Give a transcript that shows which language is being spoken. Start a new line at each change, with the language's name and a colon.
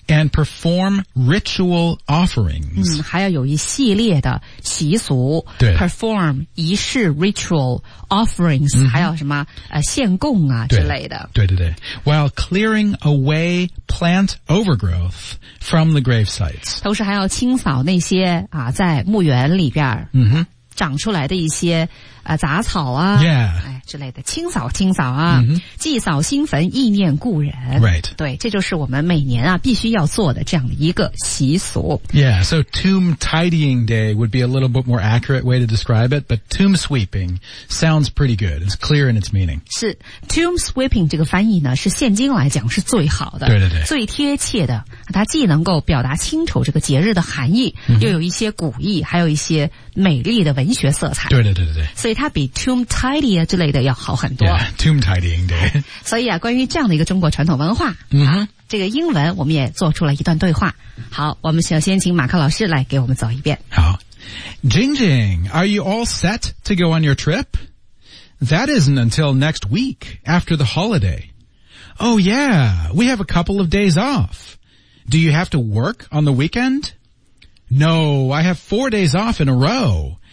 English: And perform ritual offerings.
Chinese: 还要有一系列的习俗。对。 Perform, 仪式
English: ritual offerings,、
Chinese: 还要什么献供啊之类的。对对对。
English: While clearing away plant overgrowth from the grave sites.
Chinese: 同时还要清扫那些在墓园里边。长出来的一些杂草啊、哎、之类的，清扫清扫啊、祭扫新坟，意念故人。
English: Right.
Chinese: 对，这就是我们每年啊必须要做的这样的一个习俗。
English: Yeah, so tomb tidying day would be a little bit more accurate way to describe it, but tomb sweeping sounds pretty good. It's clear in its meaning.
Chinese: 是
English: tomb sweeping
Chinese: 这个翻译呢是现今来讲是最好的，对对对，最贴切的。它既能够表达清楚这个节日的含义、又有一些古意，还有一些美丽的文学色彩。对对对对，所以它比
English: tomb tidy
Chinese: 啊之类的要好很多。
English: Yeah, tomb tidying day.
Chinese: 所以啊，关于这样的一个中国传统文化，这个英文我们也做出了一段对话。好，我们首先请马克老师来给我们走一遍。
English: 好 ，Jing Jing, are you all set to go on your trip? That isn't until next week after the holiday. Oh yeah, we have a couple of days off. Do you have to work on the weekend? No, I have 4 days off in a row.